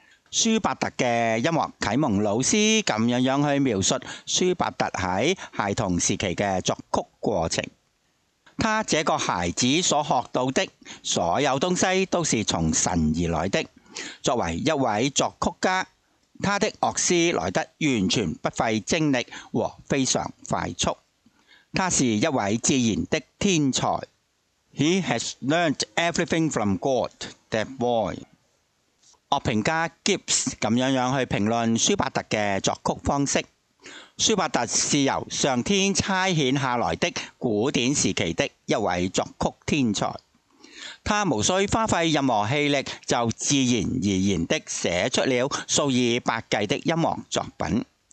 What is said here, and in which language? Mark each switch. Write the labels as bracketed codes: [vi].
[zh] 舒伯特的音乐启蒙老师这样去描述舒伯特在孩童时期的作曲过程。他这个孩子所学到的所有东西都是从神而来的。作为一位作曲家，他的乐师来得完全不费精力和非常快速。他是一位自然的天才。 [en] He has learned everything from God, that boy. [zh] 乐评家 Gibbs 这样去评论舒伯特的作曲方式。舒伯特是由上天差遣下来的古典时期的一位作曲天才。他无需花费任何气力就自然而然的写出了数以百计的音乐作品。